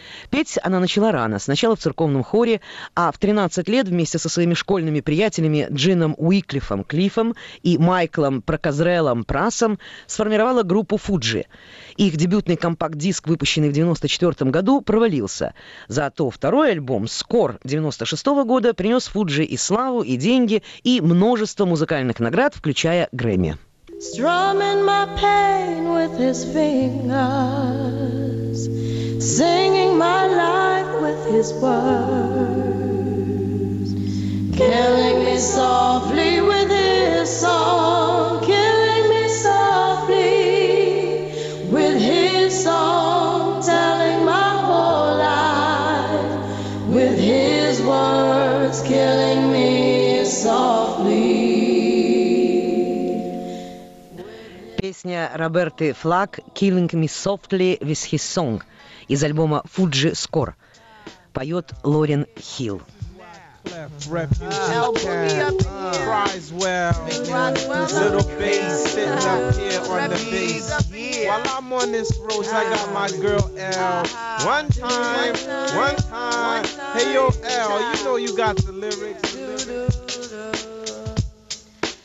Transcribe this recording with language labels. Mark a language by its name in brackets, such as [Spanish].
[Russian] Петь она начала рано, сначала в церковном хоре, а в 13 лет вместе со своими школьными приятелями Джином Уиклифом Клиффом и Майклом Проказрелом Прасом сформировала группу «Фуджи». Их дебютный компакт-диск, выпущенный в 1994 году, провалился. Зато второй альбом «Скор» 1996 года принес «Фуджи» и славу, и деньги, и множество музыкальных наград, включая Грэмми. [English] Strumming my pain with his fingers, singing my life with his words, killing me softly with his song, killing me softly with his song, telling my whole life with his words, killing me softly. [Russian] Песня Роберты Флаг «Killing Me Softly with His Song» из альбома «Fuji Score» поет Лорен Хилл. [English] Refugee camp, Criswell, little bass sitting up here on the bass. While I'm on this road, I got my girl L. One time, one time. Hey yo, L, you know you got the lyrics.